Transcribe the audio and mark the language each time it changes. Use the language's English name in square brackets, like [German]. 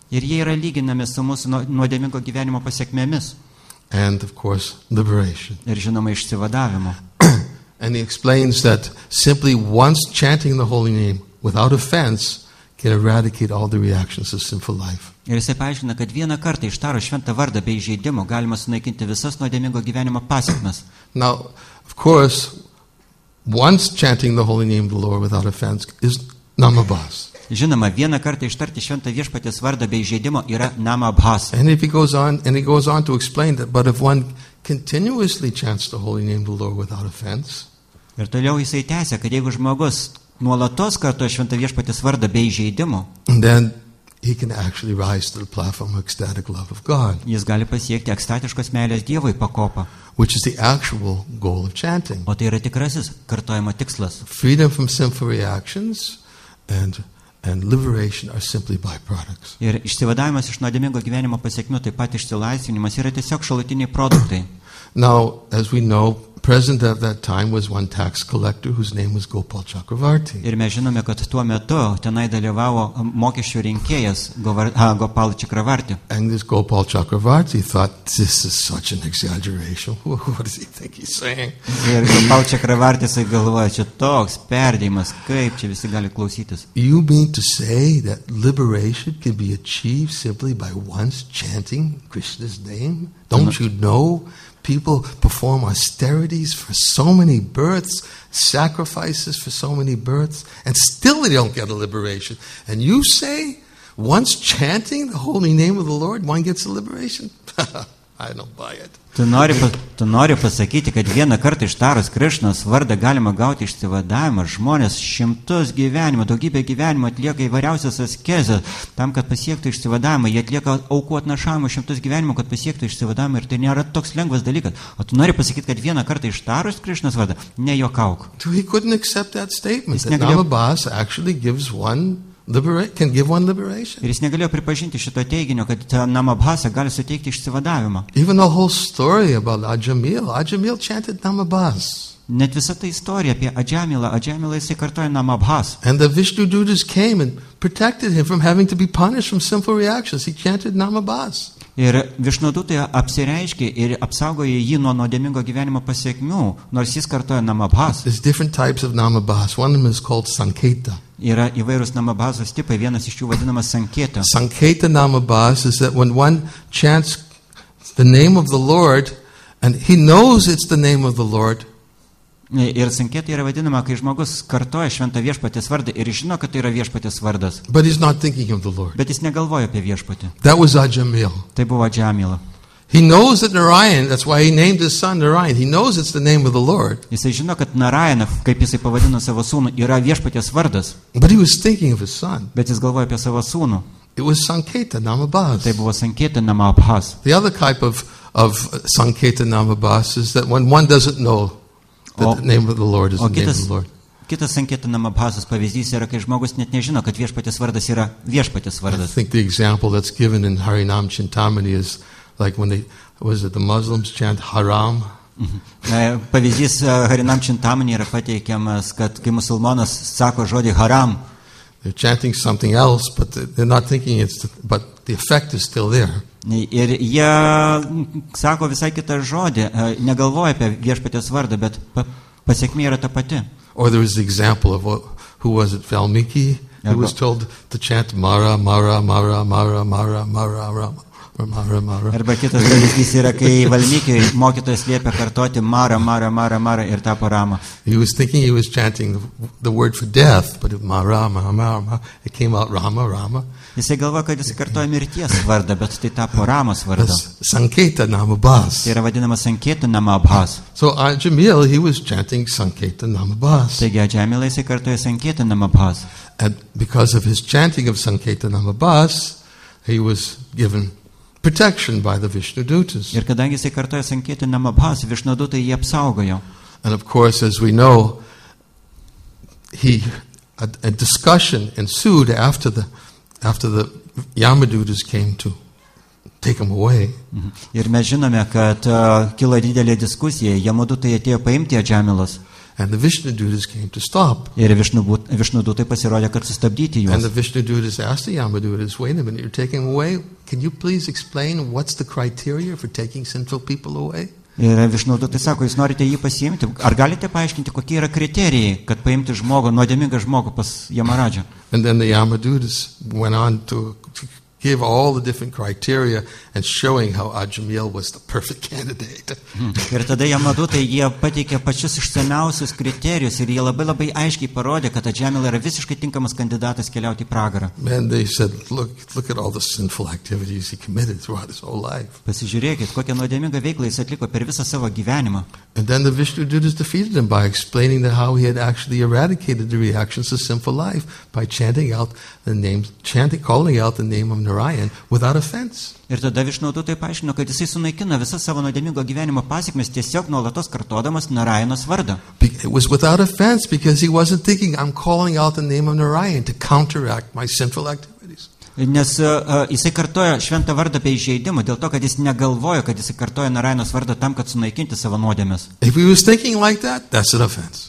[Lithuanian] Ir jie yra lyginami su mūsų nuodėmingo gyvenimo pasekmėmis. [English] And of course, liberation. [Lithuanian] Ir žinoma, išsivadavimo. [English] And he explains that simply once chanting the holy name without offense can eradicate all the reactions of sinful life. [Lithuanian] Ir jisai paaiškina, kad vieną kartą ištarus šventą vardą be įžeidimo galima sunaikinti visas nuodėmingo gyvenimo pasekmes. [English] Now, of course, once chanting the holy name of the Lord without offense is namabhas. [Lithuanian] Žinoma, vieną kartą ištarti šventą viešpaties vardą be įžeidimo yra namabhas. [English] And if he goes on to explain that, but if one continuously chants the holy name of the Lord without offense. [Lithuanian] Ir toliau jisai tęsia, kad jeigu žmogus nuolatos kartoja šventą viešpaties vardą be įžeidimo, [English] then he can actually rise to the platform of ecstatic love of God. [Lithuanian] Jis gali pasiekti ekstatiškos meilės Dievui pakopą. [English] Which is the actual goal of chanting. [Lithuanian] O tai yra tikrasis kartojimo tikslas. [English] Freedom from sinful reactions and liberation are simply byproducts. [Lithuanian] Ir išsivadavimas iš nuodėmingo gyvenimo pasekmių, taip pat išsilaisvinimas, yra tiesiog šalutiniai produktai. [English] Now, as we know, present at that time was one tax collector whose name was Gopal Chakravarti. [Lithuanian] Ir mes žinome, kad tuo metu tenai dalyvavo mokesčių rinkėjas Gopal Chakravarti. [English] And this Gopal Chakravarti thought, this is such an exaggeration. What does he think he's saying? [Lithuanian] Ir Gopal Chakravarti galvoja, čia toks perdėjimas, kaip čia visi gali klausytis. [English] You mean to say that liberation can be achieved simply by once chanting Krishna's name? Don't you know? People perform austerities for so many births, sacrifices for so many births, and still they don't get a liberation. And you say, once chanting the holy name of the Lord, one gets a liberation? I don't buy it. [Lithuanian] Tu nori pasakyti, kad vieną kartą ištarus Krišnos vardą galima gauti išsivadavimą. Žmonės šimtus gyvenimų, daugybę gyvenimų atlieka įvairiausias askezes tam, kad pasiektų išsivadavimą. Jie atlieka aukų atnašavimą šimtus gyvenimų, kad pasiektų išsivadavimą. Ir tai nėra toks lengvas dalykas. O tu nori pasakyti, kad vieną kartą ištarus Krišnos vardą, ne jokauk. [English] He couldn't accept that statement. Namabhas actually gives one can give one liberation. [Lithuanian] Ir jis negalėjo pripažinti šito teiginio, kad namabhasa gali suteikti išsivadavimą. [English] Even the whole story about Ajamil chanted namabhas. [Lithuanian] Net visa ta istorija apie Ajamilą jisai kartoja namabhas. [English] And the Vishnu Dutas came and protected him from having to be punished from sinful reactions. He chanted namabhas. [Lithuanian] Ir Vishnu Dutas apsireiškė ir apsaugojo jį nuo nuodėmingo gyvenimo pasekmių, nors jis kartoja namabhas. [English] There's different types of namabhas. One of them is called Sanketa. [Lithuanian] Yra įvairūs namabhasos tipai, vienas iš jų vadinamas Sanketa. [English] Sanketa namabhas is that when one chants the name of the Lord and he knows it's the name of the Lord. [Lithuanian] Ir Sanketa yra vadinama, kai žmogus kartoja šventą viešpatės vardą ir žino, kad tai yra viešpatės vardas. [English] But he's not thinking of the Lord. [Lithuanian] Bet jis negalvoja apie viešpatį. [English] That was Ajamil. [Lithuanian] Tai buvo Ajamila. [English] He knows that Narayan, that's why he named his son Narayan. He knows it's the name of the Lord. [Lithuanian] Jisai žino, kad Narayana, kaip jisai pavadino savo sūnų, yra viešpaties vardas. [English] But he was thinking of his son. [Lithuanian] Bet jis galvoja apie savo sūnų. [English] It was Sanketa Namabhas. [Lithuanian] Tai buvo Sanketa Namabhas. [English] The other type of Sanketa Namabhas is that when one doesn't know that the name of the Lord is the name of the Lord. [Lithuanian] Kitas Sanketa Namabhasas pavyzdys yra, kai žmogus net nežino, kad viešpaties vardas yra viešpaties vardas. [English] I think the example that's given in Harinam Chintamani is like when the Muslims chant haram. [Lithuanian] Pavyzdys Harinam Chintamani yra pateikiamas, kad kai musulmonas sako žodį haram, [English] they're chanting something else, but they're not thinking but the effect is still there. [Lithuanian] Ir jie sako visai kitą žodį, negalvoja apie viešpaties vardą, bet pasekmė yra ta pati. [English] Or there is the example of who was it, Valmiki? He was told to chant Mara, Mara, Mara, Mara, Mara, Mara, Mara. [Lithuanian] Arba kitas dalykis yra, kai Valmikiui mokytojas liepia kartoti Mara, Mara, Mara, Mara ir tapo Rama. [English] He was thinking he was chanting the word for death, but Mara, Mara, Mara, it came out Rama, Rama. [Lithuanian] Jisai galvo, kad jis kartoja mirties vardą, bet tai tapo Ramos vardą. [English] Sankeita Namabhas. [Lithuanian] Tai yra vadinama Sankeita Namabhas. [English] So Ajamil, he was chanting Sankeita Namabhas. [Lithuanian] Taigi Ajamilai jisai kartoja Sankeita Namabhas. [English] And because of his chanting of Sankeita Namabhas, he was given protection by the Vishnu Dutas. [Lithuanian] Ir kadangi jisai kartoja Sankeita Namabhas, Vishnu Dutai jį apsaugojo. [English] And of course, as we know, a discussion ensued after the Yamadutas came to take him away. [Lithuanian] Ir mes žinome, kad kilo didelė diskusija, Yamadutai atėjo paimti Ajamilos. [English] And the Vishnu Dutas came to stop. [Lithuanian] Ir Vishnu Dutai pasirodė, kad sustabdyti juos. [English] And the Vishnu Dutas asked the Yamadutas, wait a minute, you're taking him away. Can you please explain what's the criteria for taking sinful people away? [Lithuanian] Ir Vishnu Dutai sako, jūs norite jį pasiimti. Ar galite paaiškinti, kokie yra kriterijai, kad paimti žmogų, nuodėmingą žmogų pas Yamaradžią? [English] And then the Yamadutas went on to give all the different criteria and showing how Ajamil was the perfect candidate. [Lithuanian] Ir tada Yamadutai jie pateikė pačius išsamiausius kriterijus ir jie labai labai aiškiai parodė, kad Ajamil yra visiškai tinkamas kandidatas keliauti į pragarą. [English] And they said, look at all the sinful activities he committed throughout his whole life. [Lithuanian] Pasižiūrėkit, kokią nuodėmingą veiklą jis atliko per visą savo gyvenimą. [English] And then the Vishnu Dutas defeated him by explaining that how he had actually eradicated the reactions to sinful life by calling out the name of Narayan without offense. [Lithuanian] Ir tada Vishnu Dutai paaiškino, kad jisai sunaikino visas savo nuodėmingo gyvenimo pasekmes tiesiog nuolatos kartodamas Narayanos vardą. [English] It was without offense because he wasn't thinking I'm calling out the name of Narayan to counteract my sinful activities. [Lithuanian] Nes jisai kartoja šventą vardą be įžeidimo, dėl to, kad jis negalvojo, kad jisai kartoja Narayanos vardą tam, kad sunaikinti savo nuodėmes. [English] If he was thinking like that, that's an offense.